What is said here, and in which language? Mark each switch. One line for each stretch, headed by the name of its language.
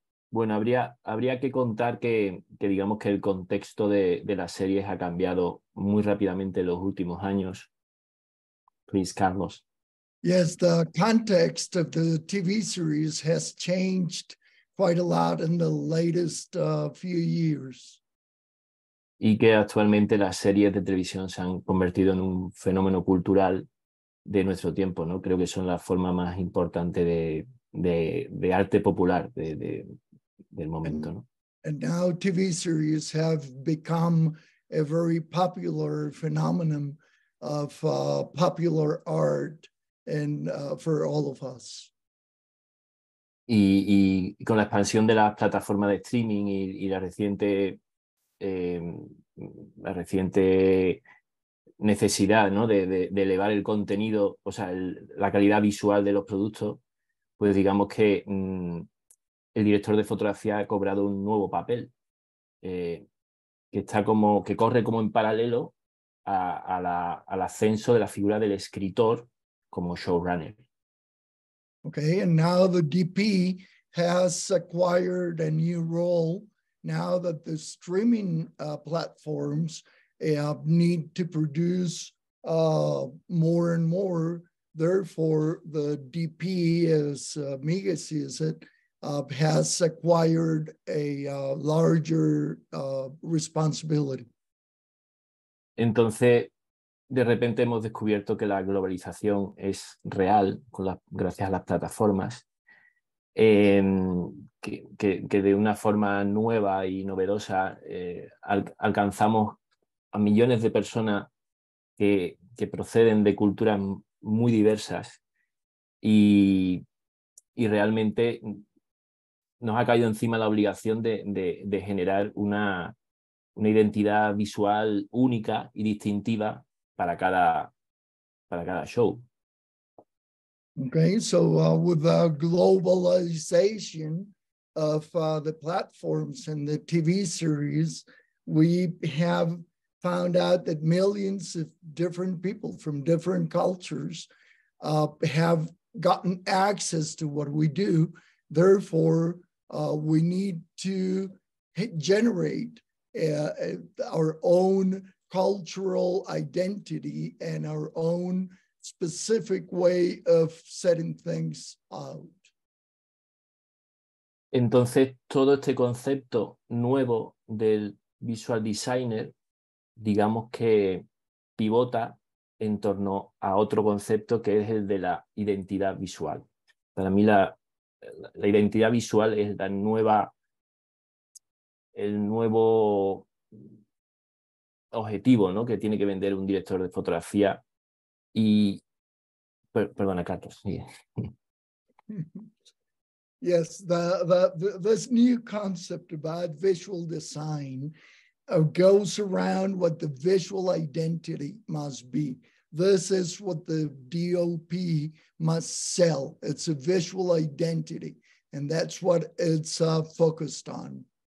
Spanish: Bueno, habría que contar que digamos que el contexto de las series ha cambiado muy rápidamente en los últimos años.
English: Please, Carlos. Yes, the context of the TV series has changed quite a lot in the latest few years.
Spanish: Y que actualmente las series de televisión se han convertido en un fenómeno cultural de nuestro tiempo, ¿no? Creo que son la forma más importante de arte popular del momento, ¿no?
English: And now TV series have become a very popular phenomenon of popular art and for all of us.
Spanish: Y con la expansión de las plataformas de streaming y la reciente necesidad, ¿no? De elevar el contenido, o sea, la calidad visual de los productos, pues digamos que el director de fotografía ha cobrado un nuevo papel que corre como en paralelo al ascenso de la figura del escritor como showrunner.
English: Okay, and now the DP has acquired a new role now that the streaming platforms need to produce more and more. Therefore, the DP, as Migue sees it, has acquired a larger responsibility.
Spanish: Entonces, de repente hemos descubierto que la globalización es real gracias a las plataformas, que de una forma nueva y novedosa alcanzamos a millones de personas que proceden de culturas muy diversas y realmente nos ha caído encima la obligación de generar una identidad visual única y distintiva para cada show.
English: Okay, so with the globalization of the platforms and the TV series, we have found out that millions of different people from different cultures have gotten access to what we do. Therefore, we need to generate our own cultural identity and our own specific way of setting things out.
Spanish: Entonces, todo este concepto nuevo del visual designer, digamos que pivota en torno a otro concepto que es el de la identidad visual. Para mí la identidad visual es la nueva, el nuevo objetivo, ¿no? Que tiene que vender un director de fotografía y perdona, Carlos.
English: Yeah. Yes, this new concept about visual design goes around what the visual identity must be. This is what the DOP must sell. It's a visual identity, and that's what it's focused on.